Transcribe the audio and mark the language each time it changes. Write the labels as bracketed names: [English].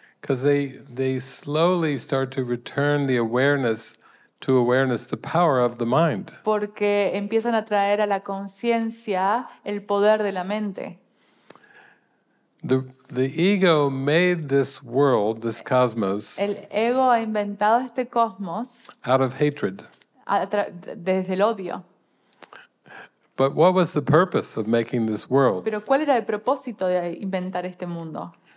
[English] Because they slowly start to return the awareness to awareness, the power of the mind. [Spanish] Porque empiezan a traer a la conciencia el poder de la mente. [English] The ego made this world, this cosmos. [Spanish] El ego ha inventado este cosmos. [English] Out of hatred. [Spanish] Desde el odio. [English] But what was the purpose of making this world? [Spanish] Pero ¿cuál era el propósito de inventar este mundo?